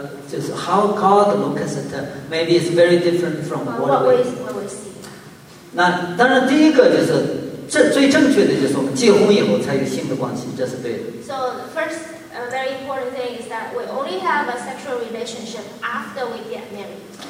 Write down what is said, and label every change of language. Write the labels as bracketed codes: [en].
[en] Just how God looks at it, maybe it's very different from what we see. [zh] 那当然，第一个就是最正确的，就是我们结婚以后才有新的关系，这是对的。 [en] So first. A very important thing is that we only have a sexual relationship after we get married.